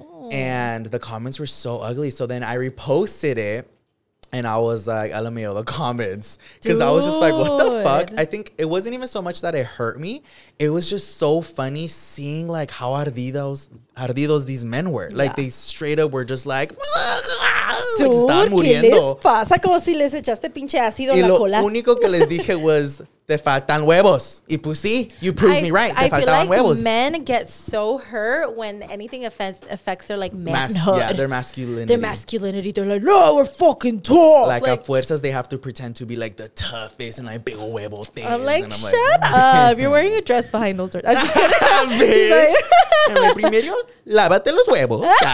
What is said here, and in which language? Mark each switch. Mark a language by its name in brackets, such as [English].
[English] And the comments were so ugly. So then I reposted it. And I was like, LMAO, the comments. Because I was just like, what the fuck? I think it wasn't even so much that it hurt me. It was just so funny seeing, like, how ardidos these men were. Yeah. Like, they straight up were just like, [Spanish] dude, like, están muriendo. ¿Qué les pasa? Como si les echaste pinche ácido en la cola. Y lo único que les dije was, te faltan huevos. Y pues sí, [English] you proved me right. [Spanish] Te faltaban huevos. [English] Men get so hurt when anything affects their, like, manhood. Yeah, their masculinity. Their masculinity. They're like, no, we're fucking tough. Like, [Spanish] a fuerzas, [English] they have to pretend to be, like, the toughest and, like, big huevo things. I'm like, and I'm shut like, up. You're wearing a dress behind those doors. I'm just kidding. Bitch. [Spanish] like, en el primero, lávate los huevos.